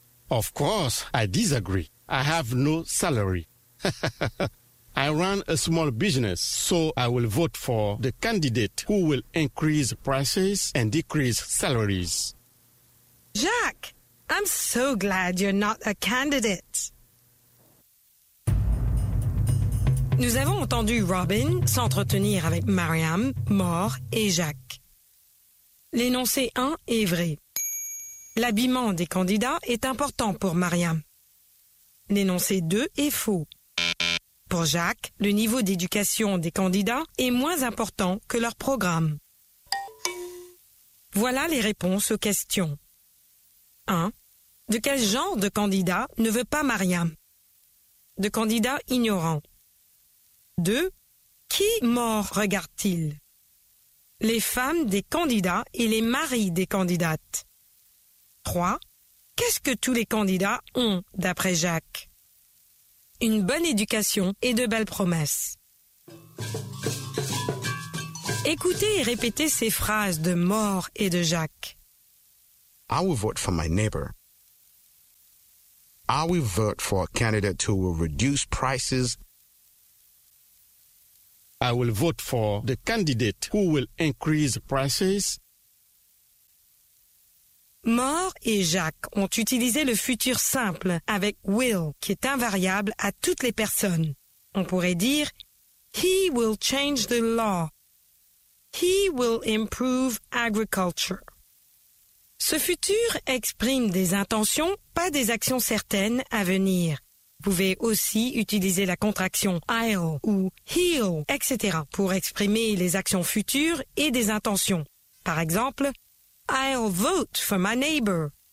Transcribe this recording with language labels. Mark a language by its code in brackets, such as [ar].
[en] Of course, I disagree. I have no salary. I run a small business, so I will vote for the candidate who will increase prices and decrease salaries. Jacques, I'm so glad you're not a candidate. [fr] Nous avons entendu Robin s'entretenir avec Mariam, Moore et Jacques. L'énoncé 1 est vrai. L'habillement des candidats est important pour Mariam. L'énoncé 2 est faux. Pour Jacques, le niveau d'éducation des candidats est moins important que leur programme. Voilà les réponses aux questions. 1. De quel genre de candidat ne veut pas Mariam? De candidat ignorant. 2. Qui mort regarde-t-il? Les femmes des candidats et les maris des candidates. 3. Qu'est-ce que tous les candidats ont, d'après Jacques? Une bonne éducation et de belles promesses. Écoutez et répétez ces phrases de Moore et de Jacques. [en] I will vote for my neighbor. I will vote for a candidate who will reduce prices. I will vote for the candidate who will increase prices. [fr] Moore et Jacques ont utilisé le futur simple avec will, qui est invariable à toutes les personnes. On pourrait dire [en] he will change the law. He will improve agriculture. [fr] Ce futur exprime des intentions, pas des actions certaines à venir. Vous pouvez aussi utiliser la contraction I'll ou he'll, etc. pour exprimer les actions futures et des intentions. Par exemple, [en] I'll vote for my neighbor.